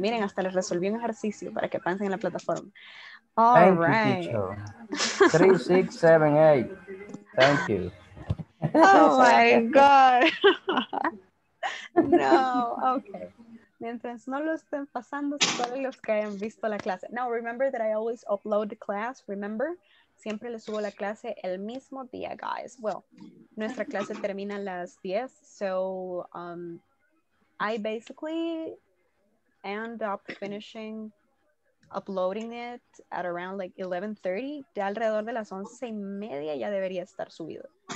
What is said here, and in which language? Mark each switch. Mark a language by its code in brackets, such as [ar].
[es] Miren, hasta les resolví un ejercicio para que piensen en la plataforma. [en] All Thank right. You, 3, 6, 7, 8. Thank you. Oh my God. No, okay. [es] Mientras no lo estén pasando, solo los que hayan visto la clase. [en] Now, remember that I always upload the class, remember? [es] Siempre les subo la clase el mismo día, guys. [en] Well, [es] nuestra clase termina a las 10, [en] so I basically end up finishing uploading it at around like 11:30. [es] De alrededor de las 11:30 ya debería estar subido.